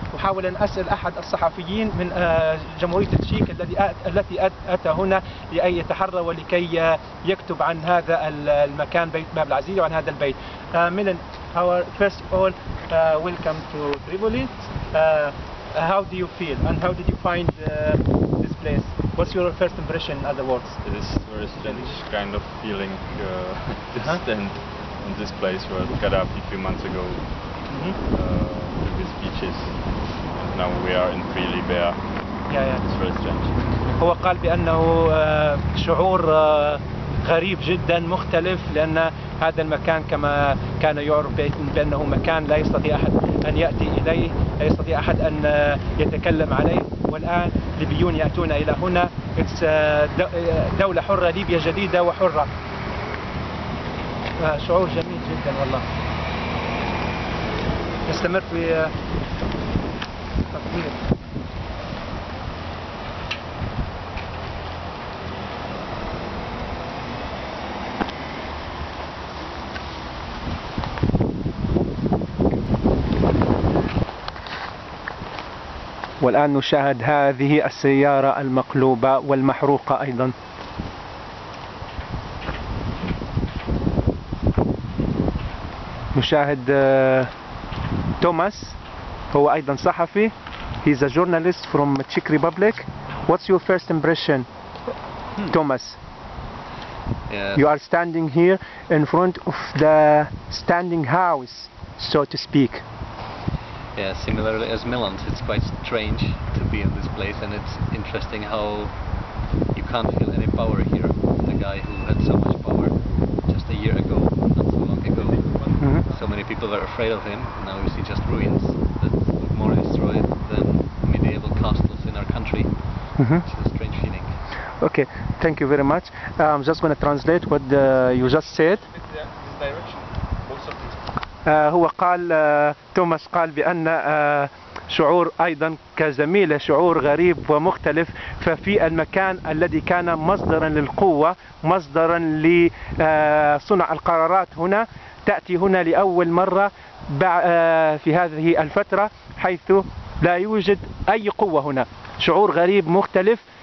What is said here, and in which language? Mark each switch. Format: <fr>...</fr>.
<ar>أحاول أن أسأل أحد الصحفيين من جمهورية التشيك التي أتى هنا لأي يتحرى ولكي يكتب عن هذا المكان، بيت باب العزيزية، وعن هذا البيت.</ar> <en>Milan, first of all, welcome to Tripoli. How do you feel and how did you find this place? What's your first impression, in other words? It is very strange kind of feeling to stand in this place where Gaddafi a few months ago took his speeches. And now we are in free Libya. Yeah. It's very strange.</en> <ar>هو قال بأنه شعور غريب جدا مختلف، لأن هذا المكان كما كان يعرف بأنه مكان لا يستطيع أحد أن يأتي إليه، لا يستطيع أحد أن يتكلم عليه، والآن ليبيون يأتون إلى هنا. It's دولة حرة، ليبيا جديدة وحرة. شعور جميل جدا والله. نستمر في التصوير. والآن نشاهد هذه السيارة المقلوبة والمحروقة أيضا. نشاهد توماس، هو أيضا صحفي.</ar> <en>He's a journalist from Czech Republic. What's your first impression, Thomas? Yeah. You are standing here in front of the standing house, so to speak. Yeah, similarly as Milan, it's quite strange to be in this place, and it's interesting how you can't feel any power here. The guy who had so much power just a year ago, not so long ago, so many people were afraid of him. Now we see just ruins that look more destroyed than medieval castles in our country. It's a strange feeling. Okay, thank you very much. I'm just going to translate what you just said.</en> <ar>هو قال توماس قال بأن شعور أيضا كزميلة شعور غريب ومختلف ففي المكان الذي كان مصدرا للقوة مصدرا لصنع القرارات هنا تأتي هنا لأول مرة في هذه الفترة حيث لا يوجد أي قوة هنا شعور غريب مختلف</ar>